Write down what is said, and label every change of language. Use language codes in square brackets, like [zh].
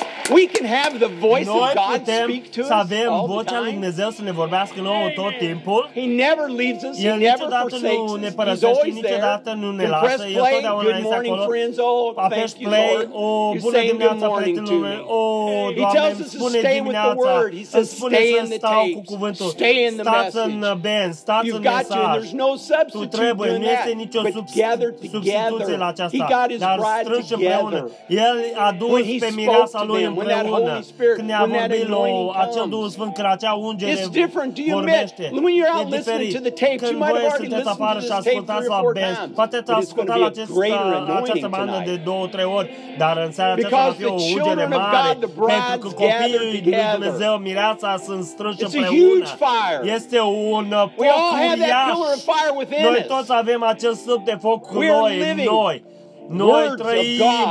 [en] We can have the voice of God speak to us. [ro] Să avem vocea lui Dumnezeu să ne vorbească nouă tot timpul. [en] He never leaves us. He never forsakes us. He's always there. [ro] Nu ne lasă. [en] You press play. Good morning, friends. Oh, thank you, Lord. You say good morning to me. He tells us to stay with the word. He says stay in the tapes. Stay in the message. You've got to. There's no substitute doing that. But gather together. He got his bride together. When he spoke to them, when that Holy Spirit, when that anointing comes, it's different. Do you admit? When you're out listening to the tapes, you might have already listened to this tape three or four times. [ro] Poate ați ascultat această bandă de două, trei ori, dar în seara aceasta va fi o ungere mare, pentru că copiii lui Dumnezeu, mireața, sunt strânși împreună. Este un foc uriaș. Noi toți avem acest sub de foc cu noi, noi. Noi trăim.